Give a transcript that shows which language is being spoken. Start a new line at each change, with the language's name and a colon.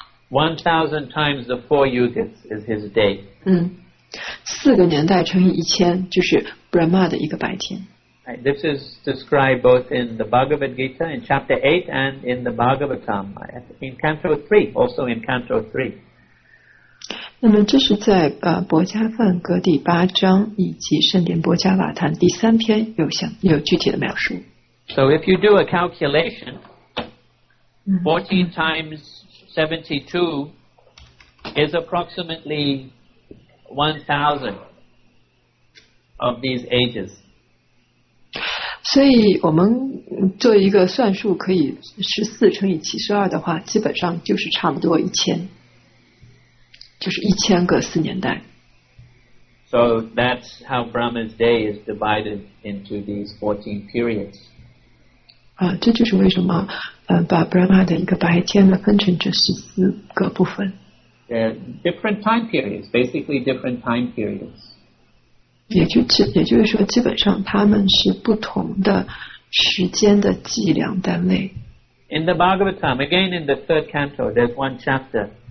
English: 1,000 times the 4 yugas is his day.
Chinese: 四个年代乘以1000就是 Brahma 的一个白天。
English: Right, this is described both in the Bhagavad Gita in chapter 8 and in the Bhagavatam in Canto 3, also in Canto 3.
Chinese: 那么这是在博迦梵歌第八章以及圣典博迦瓦坛第三篇有具体的描述。
English: So if you do a calculation, 14 times 72 is approximately 1,000 of these ages.
Chinese: 所以我们做一个算术，可以14乘以72的话，基本上就是差不多1000。就是1000个四年代。
English: So that's how Brahma's day is divided into these 14 periods.
Chinese: 这就是为什么把 Brahma 的一个白天呢分成这14个部分。
English: Different time periods, basically different time periods.
Chinese: 也就是说，基本上他们是不同的时间的计量单位。
English: In the Bhagavatam, again in the third canto, there's one chapter.